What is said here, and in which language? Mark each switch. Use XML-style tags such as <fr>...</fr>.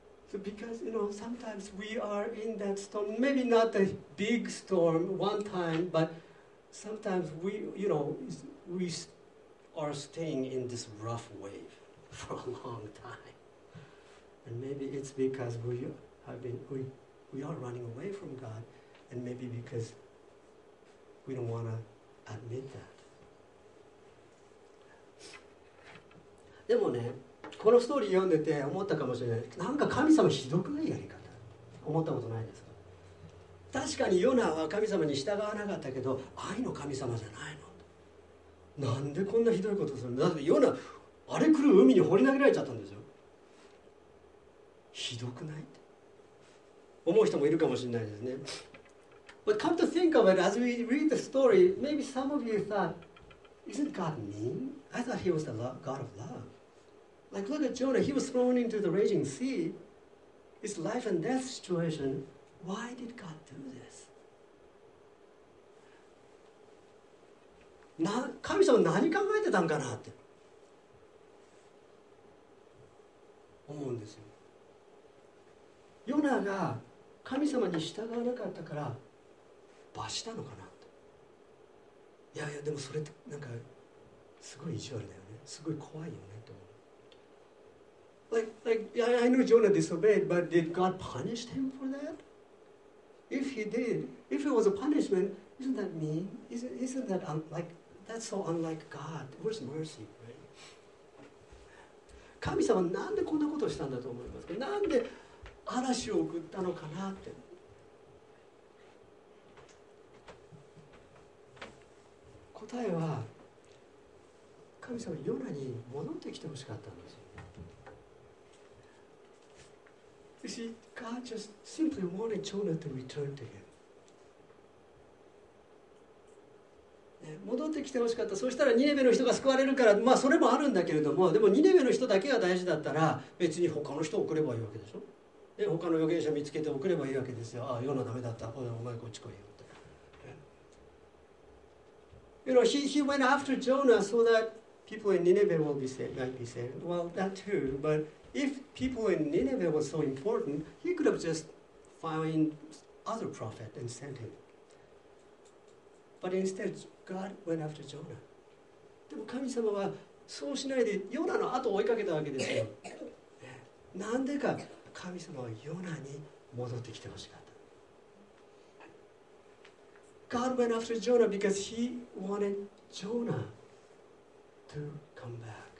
<en>So because, you know, sometimes we are in that storm, maybe not a big storm one time, but sometimes we, you know, we are staying in this rough wave for a long time. And maybe it's because we are running away from God, and maybe because we don't want to admit that.</en> <ja>でもね、このストーリー読んでて思ったかもしれない。なんか神様ひどくないやり方。思ったことないですか？確かにヨナは神様に従わなかったけど、愛の神様じゃないの。なんでこんなひどいことするの？だってヨナ、荒れ狂う海に放り投げられちゃったんですよ。ひどくないって思う人もいるかもしれないですね。</ja> <en>But come to think of it, as we read the story, maybe some of you thought, isn't God mean? I thought he was the God of love. Like, look at Jonah, he was thrown into the raging sea. It's life and death situation. Why did God do this?</en> <ja>神様何考えてたんかなって思うんですよ。ヨナが神様に従わなかったから罰したのかなと。いやいや、でもそれってなんかすごい意地悪だよね、すごい怖いよねと。</ja> <en>I know Jonah disobeyed, but did God punish him for that? If he did, if it was a punishment, isn't that mean? Isn't that unlike, that's so unlike God? Where's mercy, right?</en> <ja>神様なんでこんなことをしたんだと思いますか？なんで嵐を送ったのかなって。答えは、神様ヨナに戻ってきてほしかったんですよ。</ja> <en>You see, God just simply wanted Jonah to return to him.</en> <ja>戻ってきてほしかった。そしたらニネベの人が救われるから、まあそれもあるんだけれども、でもニネベの人だけが大事だったら、別に他の人を送ればいいわけでしょ。で、他の預言者見つけて送ればいいわけですよ。ああ、ヨナダメだった。お前こっち来いよって。</ja> <en>You know, he went after Jonah so that people in Nineveh will be saved, might be saved. Well, that too, but if people in Nineveh were so important, he could have just found other prophet and sent him. But instead, God went after Jonah.</en> <ja>でも神様はそうしないでヨナの後を追いかけたわけですよ。なんでか神様はヨナに戻ってきてほしかった。</ja> <en>God went after Jonah because he wanted Jonah to come back.</en>